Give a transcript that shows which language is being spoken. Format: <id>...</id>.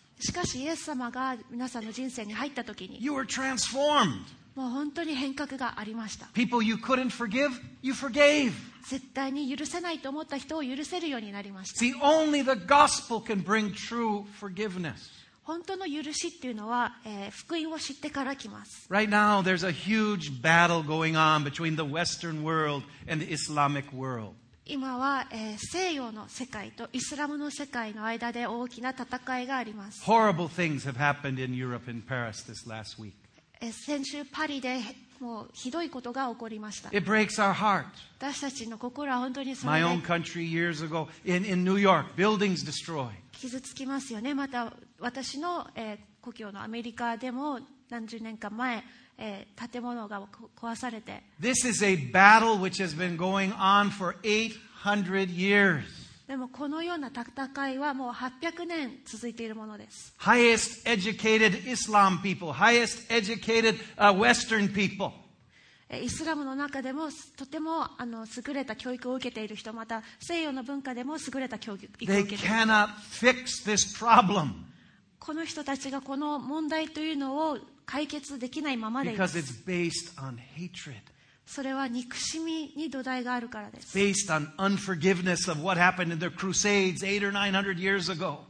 <ja>しかし、イエス様が皆さんの人生に入ったときに、</ja> <en>you were transformed.</en> <ja>もう本当に変革がありました。</ja> <en>People you couldn't forgive, you forgave.</en> <ja>絶対に許せないと思った人を許せるようになりました。</ja> <en>See, only the gospel can bring true forgiveness.</en> <ja>本当の許しっていうのは、福音を知ってから来ます。</ja> <en>Right now, there's a huge battle going on between the Western world and the Islamic world.</en> <ja>今は、西洋の世界とイスラムの世界の間で大きな戦いがあります。</ja> <en>Horrible things have happened in Europe and Paris this last week.</en> <ja>先週パリでもうひどいことが起こりました。</ja> <en>It breaks our heart.</en> <ja>私たちの心は本当にそれで。</ja> <en>My own country years ago in New York, buildings destroyed.</en> <ja>傷つきますよね。また私の、故郷のアメリカでも何十年か前、建物が壊されて。</ja> <en>This is a battle which has been going on for 800 years.</en> <ja>でもこのような戦いはもう800年続いているものです。</ja> <en>Highest educated Islam people, highest educated Western people.</en> <ja>イスラムの中でもとても優れた教育を受けている人、また西洋の文化でも優れた教育を受けている人。</ja> <en>They cannot fix this problem.</en> <ja>この人たちがこの問題というのを解決できないままでいます。</ja> <en>Because it's based on hatred.</en> <ja>それは憎しみに土台があるからです。</ja> <en>Based on unforgiveness of what happened in the Crusades 800 or 900 years ago.</en>